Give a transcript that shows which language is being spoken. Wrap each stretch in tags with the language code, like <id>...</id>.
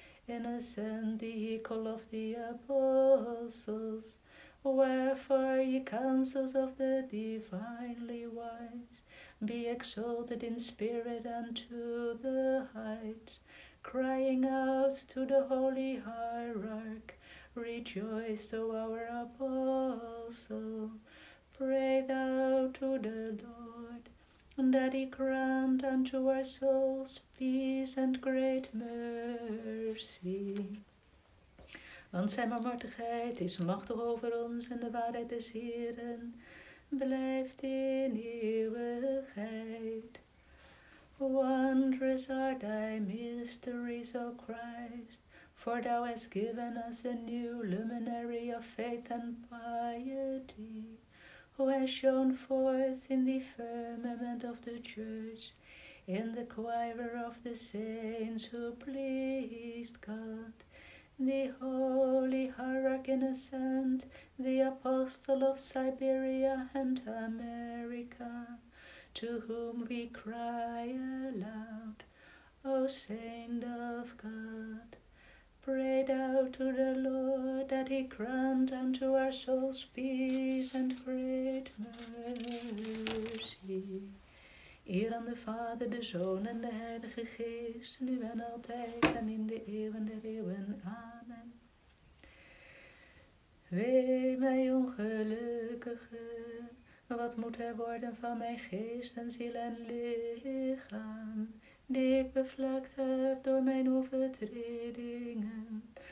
<en>Innocent, the equal of the apostles, wherefore ye counsels of the divinely wise, be exalted in spirit and to the height, crying out to the Holy Hierarch, rejoice, O our apostle. Pray thou to the Lord, that he grant unto our souls peace and great mercy.</en> <nl>Want zijn barmhartigheid is machtig over ons en de waarheid des Heren blijft in eeuwigheid.</nl> <en>Wondrous are thy mysteries, O Christ, for thou hast given us a new luminary of faith and piety, who has shone forth in the firmament of the church, in the choir of the saints who pleased God. The Holy Hierarch Innocent, the Apostle of Siberia and America, to whom we cry aloud, O Saint of God. Pray thou to the Lord, that he grant unto our souls peace and great mercy.</en> <nl>Eer aan de Vader, de Zoon en de Heilige Geest, nu en altijd en in de eeuwen der eeuwen. Amen. Wee mij ongelukkige, wat moet er worden van mijn geest en ziel en lichaam, die ik bevlekt heb door mijn overtredingen.</nl>